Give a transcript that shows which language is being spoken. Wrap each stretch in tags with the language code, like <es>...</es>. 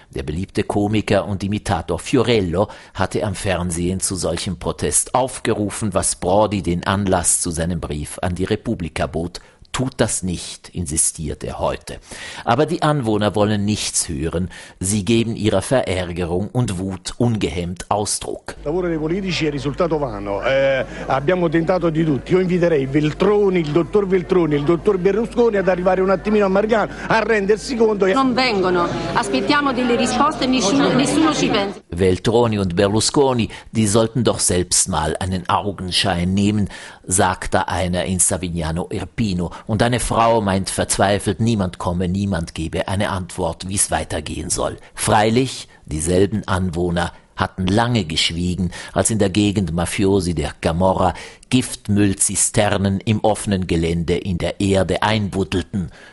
<de>Der beliebte Komiker und Imitator Fiorello hatte am Fernsehen zu solchem Protest aufgerufen, was Prodi den Anlass zu seinem Brief an die Repubblica bot. Tut das nicht, insistiert er heute. Aber die Anwohner wollen nichts hören. Sie geben ihrer Verärgerung und Wut ungehemmt Ausdruck.</de> <it>Il lavoro dei politici è risultato vano. Abbiamo tentato di tutti. Io inviterei Veltroni, il dottor Veltroni, il dottor Berlusconi ad arrivare un attimino a Margano, a rendersi conto. Non vengono. Aspettiamo delle risposte. Nessuno ci pensa.</it> <de>Veltroni und Berlusconi, die sollten doch selbst mal einen Augenschein nehmen, sagt da einer in Savignano Irpino. Und eine Frau meint verzweifelt, niemand komme, niemand gebe eine Antwort, wie es weitergehen soll. Freilich, dieselben Anwohner hatten lange geschwiegen, als in der Gegend Mafiosi der Camorra Giftmüllzisternen im offenen Gelände in der Erde einbuddelten.</de>